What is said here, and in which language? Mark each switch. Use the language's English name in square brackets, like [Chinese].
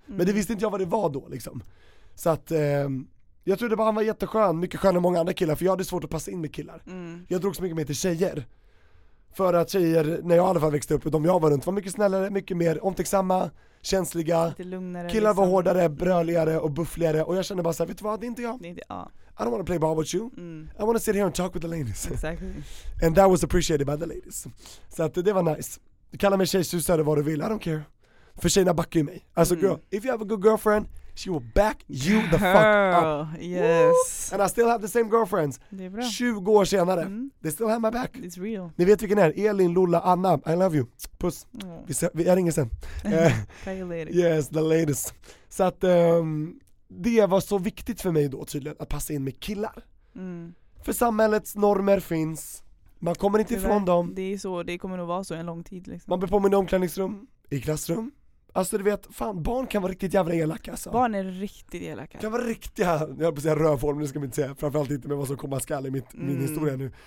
[Swedish] Men det visste inte jag vad det var då liksom. Så att jag trodde bara han var jätteskön. Mycket skönare än många andra killar. För jag hade svårt att passa in med killar. Jag drog så mycket mer till tjejer. För att tjejer, när jag i alla fall växte upp, de jag var runt, var mycket snällare, mycket mer omtänksamma, känsliga. Lite lugnare. Killar liksom. Var hårdare, bröligare och buffligare. Och jag kände bara så här, vet du vad, det är inte jag. Ja. [English] I don't want to play ball with you. I want to sit here and talk with the ladies. Exactly. And that was appreciated by the ladies. [Swedish] Så att det var nice. Du kallar mig tjejsusare vad du vill. [English] I don't care. [Swedish] För tjejerna backar ju mig. [English] Alltså girl, if you have a good girlfriend, she will back you the girl, fuck up. Yes. Woo! And I still have the same girlfriends. [Swedish] Det är bra. 20 år senare. [English] They still have my back. It's real. [Swedish] Ni vet vilken är. Elin, Lola, Anna. [English] I love you. [Swedish] Puss. Vi är ingen sen. [English] Yes, the ladies. [Swedish] Så att det var så viktigt för mig då tydligen att passa in med killar. För samhällets normer finns. Man kommer inte ifrån dem. Det är så, det kommer nog vara så en lång tid. Liksom. Man blir påminn i omklädningsrum, i klassrum. Alltså du vet, fan, barn kan vara riktigt jävla elaka. Alltså. Barn är riktigt elaka. Kan vara riktiga, jag höll på att säga rövhål, men det ska man inte säga. Framförallt inte med vad som kommer att skall i min historia nu.